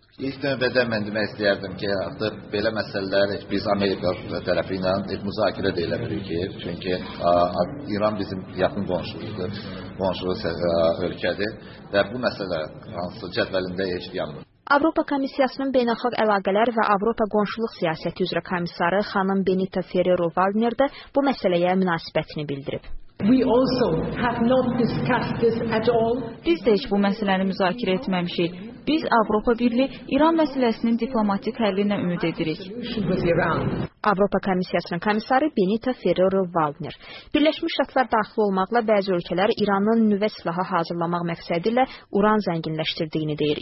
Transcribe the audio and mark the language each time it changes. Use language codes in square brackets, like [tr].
[az] İlk növbədə mən demək istəyərdim ki, artıq belə məsələlər biz Amerika tərəfi ilə müzakirə deyilə bilirik ki, çünki İran bizim yaxın qonşumuzdur, qonşumuz ölkədir və bu məsələ hansı cədvəlində heç yanmır. Avropa Komissiyasının Beynəlxalq Əlaqələr və Avropa Qonşuluq Siyasəti üzrə komissarı xanım Benita Ferrero-Wagner də bu məsələyə münasibətini bildirib. [en] We also have not discussed this at all. [az] Biz də heç bu məsələni müzakirə etməmişik. Biz Avropa Birliyi İran məsələsinin diplomatik həllinə ümid edirik. Avropa Komissiyasının komissarı Benita Ferrero-Wagner. Birləşmiş Ştatlar daxil olmaqla bəzi ölkələr İranın nüvə silahı hazırlamaq məqsədi ilə uran zənginləşdirdiyini deyir.